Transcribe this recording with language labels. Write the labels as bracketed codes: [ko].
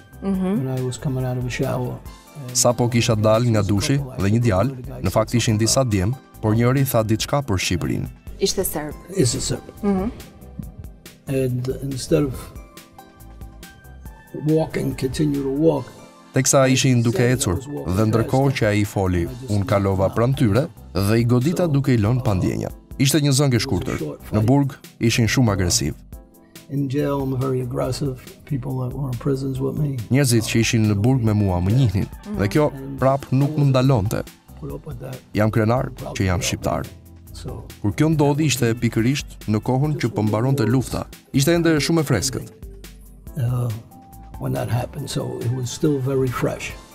[en] And I was coming out of a shower. [sq] Sa po kisha dal nga dushi dhe një djalë, në fakt ishin disa djem, por njëri tha diçka për Shqipërinë. Ishte serb. Ishte serb. [en] And instead of walking, continue to walk. [sq] Teksa ishin duke ecur, dhe ndërkohë që ai foli, unë kalova pranë tyre dhe i godita duke i lënë pa ndjenjë. Ishte një zëngë e shkurtër. Në burg ishin shumë agresiv. [en] In jail, I'm very aggressive. People that were in prisons with me. [sq] Njerëzit që ishin në burg me mua më njihnin, dhe kjo prap nuk më ndalonte. Jam krenar që jam shqiptar. Kur kjo ndodhi ishte pikërisht në kohën që pëmbaronte lufta. Ishte ende shumë e freskët. [en] When that happened, so it was still very fresh.